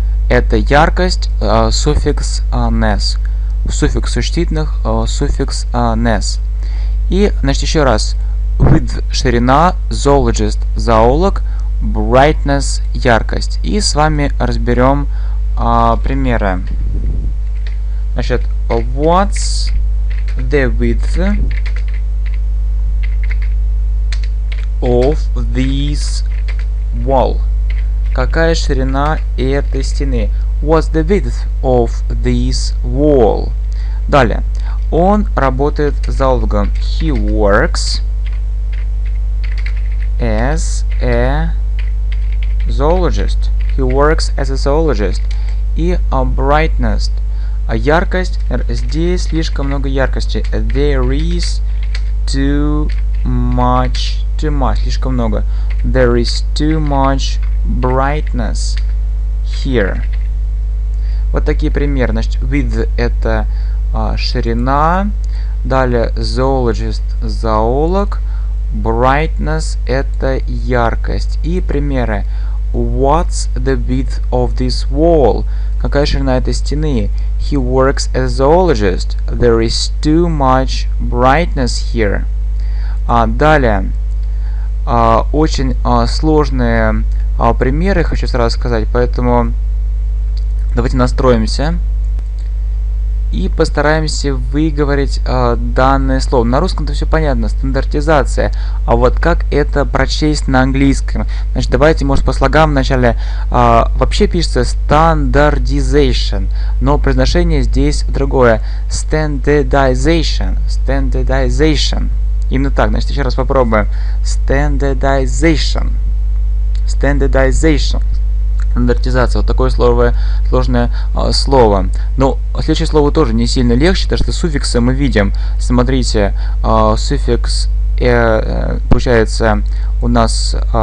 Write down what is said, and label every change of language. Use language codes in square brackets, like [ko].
[ru] Это яркость, суффикс ness. Суффикс существительных, суффикс ness. И, значит, еще раз. With ширина, zoologist, зоолог, brightness, яркость. И с вами разберем примеры. Значит, [en] what's the width of this wall? [ru] Какая ширина этой стены? [en] What's the width of this wall? [ru] Далее. Он работает зоологом. [en] He works as a zoologist. He works as a zoologist. И a brightness. A яркость. [ru] Здесь слишком много яркости. [en] There is too much, [ru] слишком много. [en] There is too much brightness here. [ru] Вот такие примеры. Значит, width – это ширина. Далее, zoologist – зоолог. Brightness – это яркость. И примеры. [en] What's the width of this wall? [ru] Какая ширина этой стены? [en] He works as a zoologist. There is too much brightness here. [ru] Далее. Очень сложные примеры, хочу сразу сказать, поэтому давайте настроимся и постараемся выговорить данное слово. На русском-то все понятно, стандартизация. А вот как это прочесть на английском? Значит, давайте, может, по слогам вначале. Вообще пишется standardization, но произношение здесь другое. [en] Standardization, standardization. [ru] Именно так. Значит, еще раз попробуем. [en] Standardization. Standardization. Стандартизация. [ru] Вот такое сложное слово. Но следующее слово тоже не сильно легче, потому что суффиксы мы видим. Смотрите, суффикс получается у нас...